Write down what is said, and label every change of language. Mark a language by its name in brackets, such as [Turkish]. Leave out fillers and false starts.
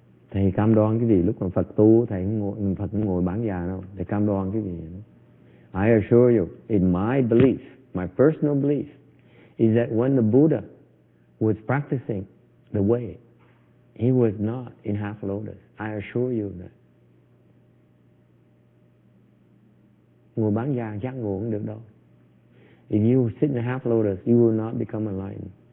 [Vietnamese] Thầy cam đoan cái gì, lúc mà Phật tu thầy không ngồi bán già đâu. Thầy cam đoan cái gì đó. [English] I assure you, in my belief, my personal belief, is that when the Buddha was practicing the way, he was not in half lotus. I assure you that. [Vietnamese] Ngồi bán già chắc ngồi không được đâu. [English] If you sit in half lotus, you will not become enlightened.